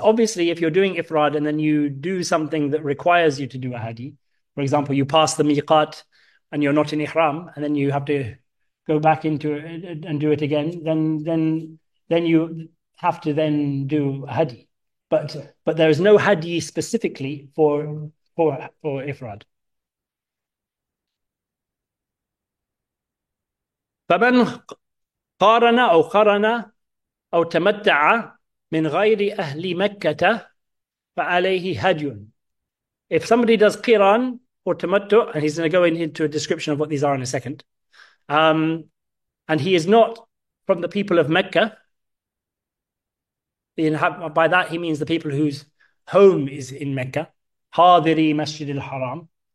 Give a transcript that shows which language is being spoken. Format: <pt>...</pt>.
<en>obviously, if you're doing ifrad and then you do something that requires you to do a hadi, for example, you pass the miqat and you're not in ihram, and then you have to go back into it and do it again, then you have to then do a hadi. Okay. But there is no hadi specifically for ifrad.</en> <ar>فمن قارن أو قرن أو تمتع من غير أهل مكة فعليه هدي.</ar> <en>If somebody does قران or تمتع, and he's going to go into a description of what these are in a second, and he is not from the people of Mecca, by that he means the people whose home is in Mecca, Hadiri Masjid al-Haram.</en>